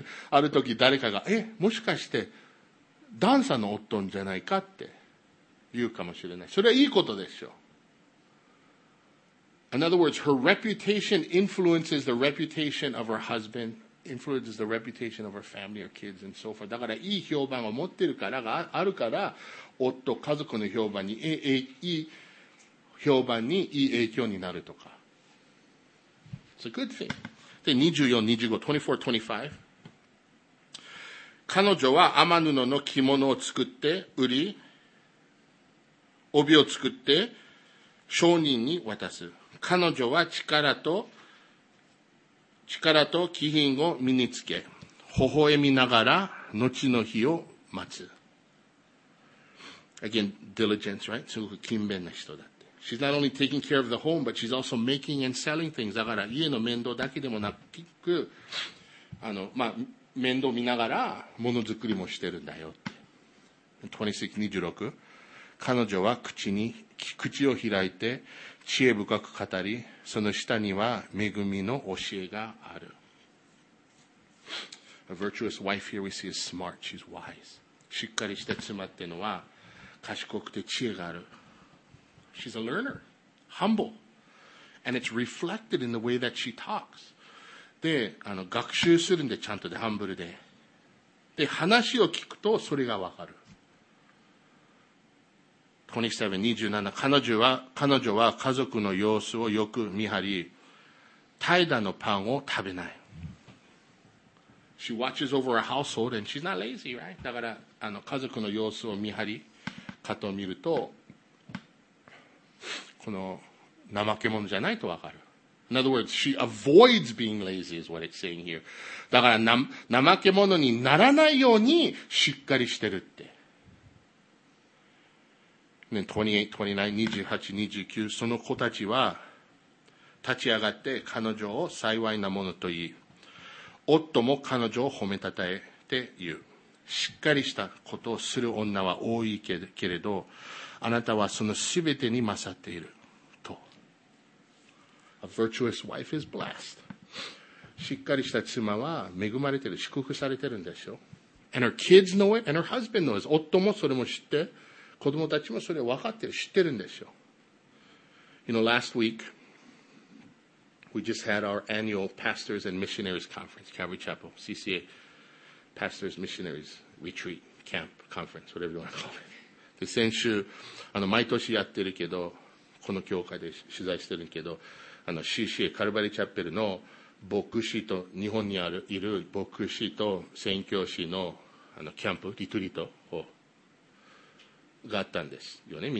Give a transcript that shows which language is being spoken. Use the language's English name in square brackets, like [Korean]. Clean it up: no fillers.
[Japanese] ある時誰かが、え、もしかして、ダンさんの夫じゃないかって言うかもしれない。それはいいことですよ。 [English] In other words, her reputation influences the reputation of her husband, influences the reputation of her family, her kids, and so forth. [Japanese] だからいい評判を持ってるからがあるから、夫、家族の評判に、いい評判にいい影響になるとか。 [English] It's a good thing. [Japanese] で、24、25、24、25。彼女は天布の着物を作って、売り、帯を作って、商人に渡す。彼女は力と気品を身につけ、微笑みながら後の日を待つ。 [English] Again, diligence, right? [Japanese] すごく勤勉な人だって。 [English] She's not only taking care of the home, but she's also making and selling things. [Japanese] だから家の面倒だけでもなく、面倒見ながらものづくりもしてるんだよって。 26、26。彼女は口を開いて、知恵深く語り、その下には恵みの教えがある。 [English] A virtuous wife here we see is smart, she's wise. [Japanese] しっかりした妻っていうのは賢くて知恵がある。 [English] She's a learner, humble. And it's reflected in the way that she talks. [Japanese] で、学習するんで、ちゃんとで、ハンブルで。で、話を聞くとそれがわかる。 27、彼女は家族の様子をよく見張り、怠惰のパンを食べない。 [English] She watches over her household and she's not lazy, right? [Japanese] だから、家族の様子を見張り、かと見ると、この、怠け者じゃないとわかる。 [English] In other words, she avoids being lazy is what it's saying here. [Japanese] だから、怠け者にならないようにしっかりしてるって。 28、29、その子たちは立ち上がって彼女を幸いなものと言い、夫も彼女を褒めたたえて言う。しっかりしたことをする女は多いけれど、あなたはそのすべてに勝っていると。 [English] A virtuous wife is blessed. [Japanese] しっかりした妻は恵まれてる、祝福されてるんでしょ。 [English] And her kids know it, and her husband knows it. [Japanese] 夫もそれも知って、子供たちもそれ分かってる、知ってるんですよ。 [English] You know, last week, we just had our annual Pastors and Missionaries Conference, Calvary Chapel, CCA, Pastors, Missionaries, Retreat, Camp, Conference, whatever you want to call it. [Japanese] で、先週、毎年やってるけど、この教会で取材してるけど、CCA、カルバリーチャペルの牧師と、日本にある、いる牧師と宣教師の、キャンプ、リトリート、があったんですよね。